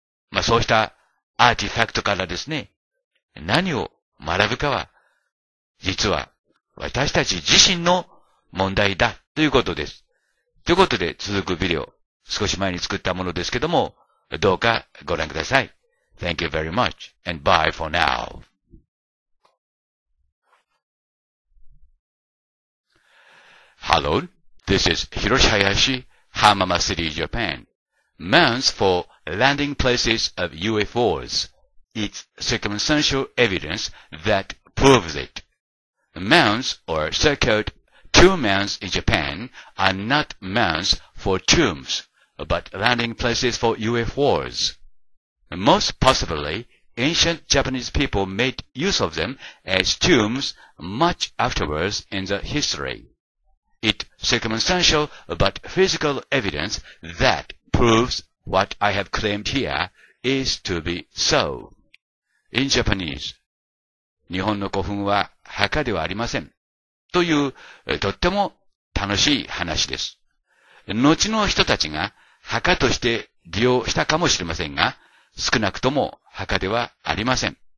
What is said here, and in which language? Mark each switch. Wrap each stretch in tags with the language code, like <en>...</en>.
<ja>まあそうしたアーティファクトからですね、何を学ぶかは、実は私たち自身の問題だということです。ということで続くビデオ、少し前に作ったものですけども、どうかご覧ください。</ja> <en>Thank you very much and bye for now. Hello, this is Hiroshi Hayashi, Hamama City, Japan. Mounts for landing places of UFOs. It's circumstantial evidence that proves it. Mounts or so-called tomb mounds in Japan are not mounds for tombs. But landing places for UFOs. Most possibly, ancient Japanese people made use of them as tombs much afterwards in the history. It's circumstantial but physical evidence that proves what I have claimed here is to be so. In Japanese,</en> <ja>日本の古墳は墓ではありません。というとっても楽しい話です。後の人たちが墓として利用したかもしれませんが、少なくとも墓ではありません。</ja>